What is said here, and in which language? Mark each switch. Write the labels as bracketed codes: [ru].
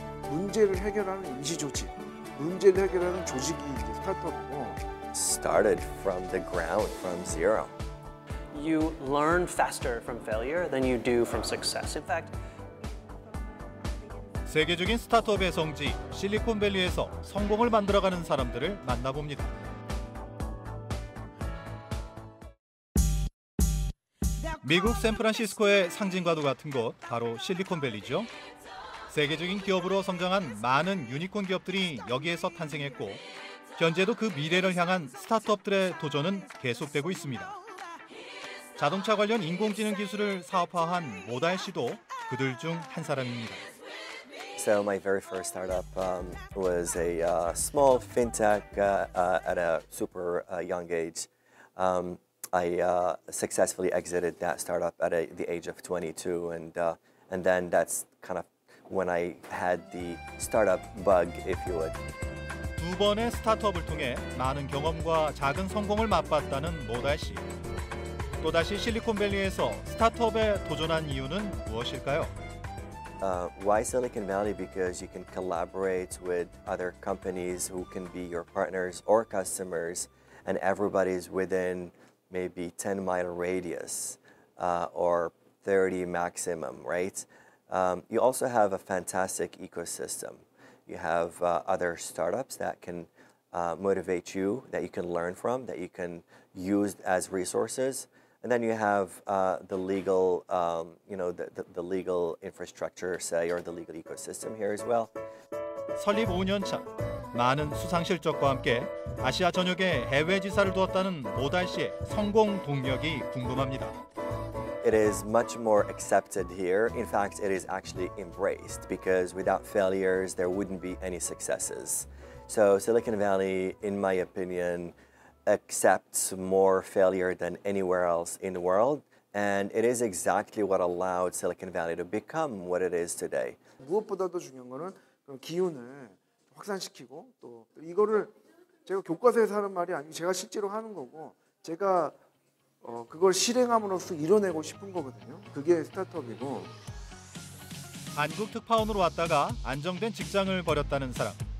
[ko] 문제를 해결하는 임시 조직, 문제를 해결하는 조직이 이제 스타트업이고. [en] Started from the ground, from zero. You learn faster from failure than you do from success. In fact, [ko] 세계적인 스타트업의 성지 실리콘밸리에서 성공을 만들어가는 사람들을 만나봅니다. 미국 샌프란시스코의 상징과도 같은 곳, 바로 실리콘밸리죠. 세계적인 기업으로 성장한 많은 유니콘 기업들이 여기에서 탄생했고, 현재도 그 미래를 향한 스타트업들의 도전은 계속되고 있습니다. 자동차 관련 인공지능 기술을 사업화한 모달 씨도 그들 중 한 사람입니다. [en] So my very first startup was a small fintech at a super young age. I successfully exited that startup at the age of 22, and then that's kind of when I had the startup bug, if you would. [ko] 두 번의 스타트업을 통해 많은 경험과 작은 성공을 맛봤다는 모달 씨. 또다시 실리콘밸리에서 스타트업에 도전한 이유는 무엇일까요? [en] Why Silicon Valley? Because you can collaborate with other companies who can be your partners or customers, and everybody's within maybe 10-mile radius or 30 maximum, right? You also have a fantastic ecosystem. You have other startups that can motivate you, that you can learn from, that you can use as resources. And then you have the legal, you know, the legal infrastructure, say, or the legal ecosystem here as well. [ko] 설립 5년 차, 많은 수상실적과 함께 아시아 전역에 해외 지사를 두었다는 모달 씨의 성공 동력이 궁금합니다. [en] It is much more accepted here. In fact, it is actually embraced because without failures, there wouldn't be any successes. So Silicon Valley, in my opinion, accepts more failure than anywhere else in the world, and it is exactly what allowed Silicon Valley to become what it is today. [ko] 무엇보다도 중요한 거는 기운을 확산시키고 또 이거를 제가 교과서에서 하는 말이 아니고 제가 실제로 하는 거고 제가 그걸 실행함으로써 이뤄내고 싶은 거거든요. 그게 스타트업이고. 한국 특파원으로 왔다가 안정된 직장을 버렸다는 사람.